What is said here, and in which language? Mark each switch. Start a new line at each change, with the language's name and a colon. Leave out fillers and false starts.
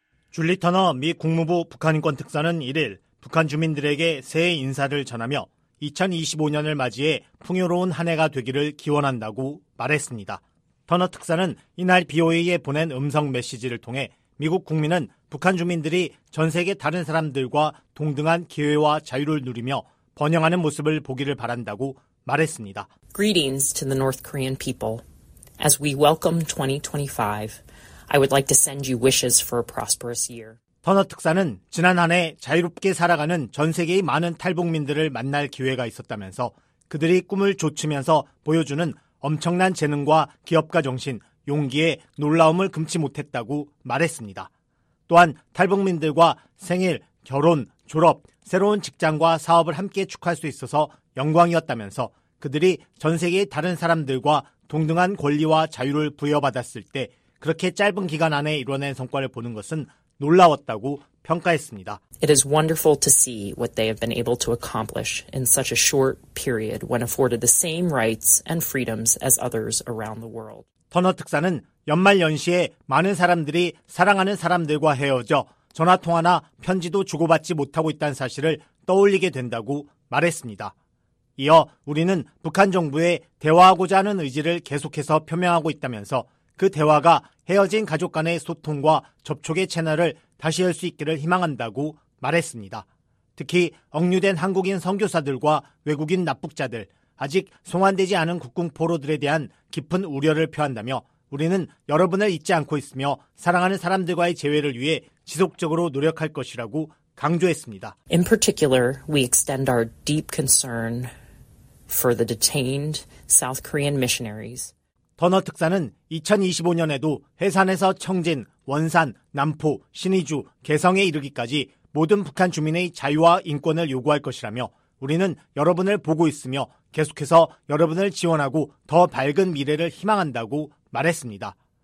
Korean: 줄리 터너 미 국무부 북한인권특사는 1일 북한 주민들에게 새해 인사를 전하며 2025년을 맞이해 풍요로운 한 해가 되기를 기원한다고 말했습니다. 터너 특사는 이날 BOA에 보낸 음성 메시지를 통해 미국 국민은 북한 주민들이 전 세계 다른 사람들과 동등한 기회와 자유를 누리며 번영하는 모습을 보기를 바란다고 말했습니다.
English: Greetings to the North Korean people. As we welcome 2025, I would like to send you wishes for a prosperous year.
Korean: 터너 특사는 지난 한 해 자유롭게 살아가는 전 세계의 많은 탈북민들을 만날 기회가 있었다면서 그들이 꿈을 좇으면서 보여주는 엄청난 재능과 기업가 정신, 용기에 놀라움을 금치 못했다고 말했습니다. 또한 탈북민들과 생일, 결혼, 졸업, 새로운 직장과 사업을 함께 축하할 수 있어서 영광이었다면서 그들이 전 세계의 다른 사람들과 동등한 권리와 자유를 부여받았을 때 그렇게 짧은 기간 안에 이뤄낸 성과를 보는 것은 놀라웠다고 평가했습니다.
English: It is wonderful to see what they have been able to accomplish in such a short period when afforded the same rights and freedoms as others around the world.
Korean: 터너 특사는 연말 연시에 많은 사람들이 사랑하는 사람들과 헤어져 전화 통화나 편지도 주고받지 못하고 있다는 사실을 떠올리게 된다고 말했습니다. 이어 우리는 북한 정부에 대화하고자 하는 의지를 계속해서 표명하고 있다면서 그 대화가 헤어진 가족 간의 소통과 접촉의 채널을 다시 열 수 있기를 희망한다고 말했습니다. 특히 억류된 한국인 선교사들과 외국인 납북자들, 아직 송환되지 않은 국궁 포로들에 대한 깊은 우려를 표한다며 우리는 여러분을 잊지 않고 있으며 사랑하는 사람들과의 재회를 위해 지속적으로 노력할 것이라고 강조했습니다.
English: In particular, we extend our deep concern for the detained South Korean missionaries.
Korean: 터너 특사는 2025년에도 해산에서 청진, 원산, 남포, 신의주, 개성에 이르기까지 모든 북한 주민의 자유와 인권을 요구할 것이라며 우리는 여러분을 보고 있으며 계속해서 여러분을 지원하고 더 밝은 미래를 희망한다고 말했습니다.